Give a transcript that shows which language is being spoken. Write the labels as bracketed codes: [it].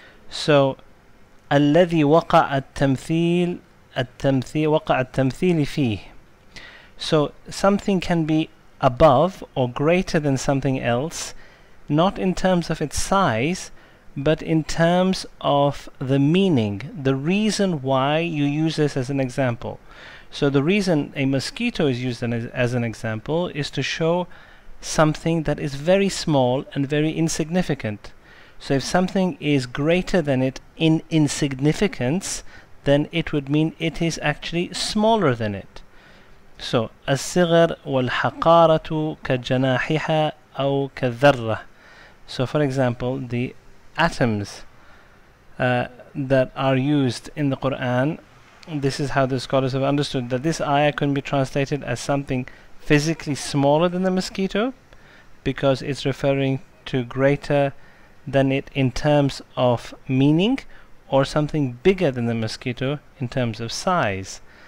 [en] So [ar] الذي وقع التمثيل, وقع التمثيل فيه. [en] So something can be above or greater than something else, not in terms of its size, but in terms of the meaning, the reason why you use this as an example. So the reason a mosquito is used as an example is to show something that is very small and very insignificant. So if something is greater than it in insignificance, then it would mean it is actually smaller than it. So [ar] الصغر والحقارة كجناحها أو كذرة. [en] So for example, the atoms that are used in the Quran, this is how the scholars have understood that this ayah can be translated as something physically smaller than the mosquito, because it's referring to greater than it in terms of meaning, or something bigger than the mosquito in terms of size.